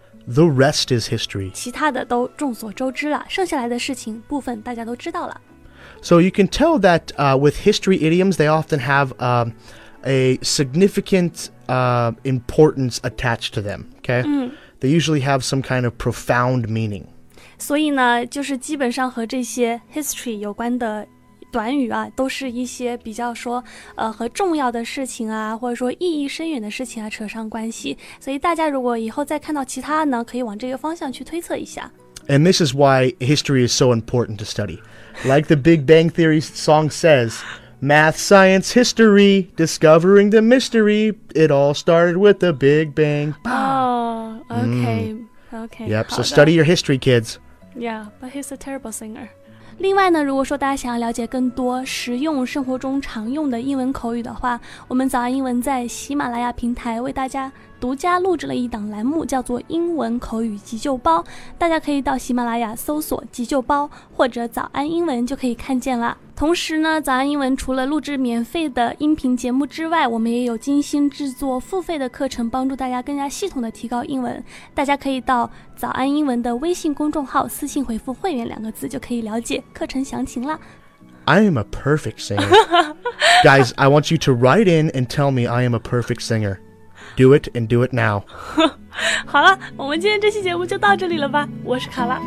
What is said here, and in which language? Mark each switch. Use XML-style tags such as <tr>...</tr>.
<en>The rest is history.</en> <zh>其他的都众所周知了，剩下来的事情部分大家都知道了。</zh> <en>So you can tell that with history idioms, they often have a significant importance attached to them. Okay? They usually have some kind of profound meaning.</en> <zh>所以呢，就是基本上和这些 history 有关的短语啊，都是一些比较说，和重要的事情啊，或者说意义深远的事情啊，扯上关系。所以大家如果以后再看到其他呢，可以往这个方向去推测一下。</zh> <en>And this is why history is so important to study. Like the Big Bang Theory song says, math, science, history, discovering the mystery, it all started with the Big Bang. Oh, okay. Yep, so study your history, kids. Yeah, but he's a terrible singer.</en> <zh>另外呢，如果说大家想要了解更多实用生活中常用的英文口语的话，我们早安英文在喜马拉雅平台为大家独家录制了一档栏目，叫做英文口语急救包，大家可以到喜马拉雅搜索急救包或者早安英文就可以看见了。同时呢，早安英文除了录制免费的音频节目之外，我们也有精心制作付费的课程，帮助大家更加系统的提高英文。大家可以到早安英文的微信公众号私信回复会员两个字就可以了解课程详情了。</zh> <en>I am a perfect singer. Guys, I want you to write in and tell me I am a perfect singer. Do it and do it now.</en> <zh>好了，我们今天这期节目就到这里了吧。我是卡拉。</zh>